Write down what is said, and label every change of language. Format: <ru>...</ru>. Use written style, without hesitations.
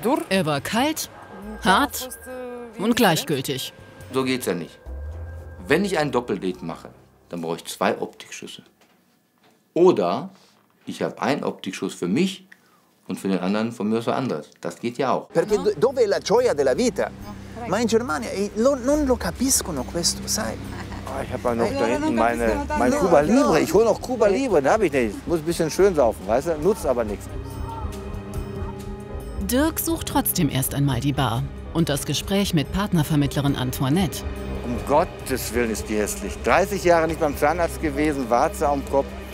<de>Er war kalt, hart und gleichgültig. So geht's ja nicht. Wenn ich ein Doppeldate mache, dann brauche ich zwei Optikschüsse. Oder ich habe einen Optikschuss für mich und für den anderen von mir so anders. Das geht ja auch.</de> <it>Perché dove è la gioia della vita? Ma in Germania non lo capiscono questo, sai?</it> <de>Ich habe noch da hinten mein Cuba Libre. Ich hole noch Cuba Libre, den habe ich nicht. Muss ein bisschen schön saufen, weißt du? Nutzt aber nichts. Dirk sucht trotzdem erst einmal die Bar und das Gespräch mit Partnervermittlerin Antoinette. Um Gottes Willen ist die hässlich. 30 Jahre nicht beim Zahnarzt gewesen, Warze am Kopf.</de>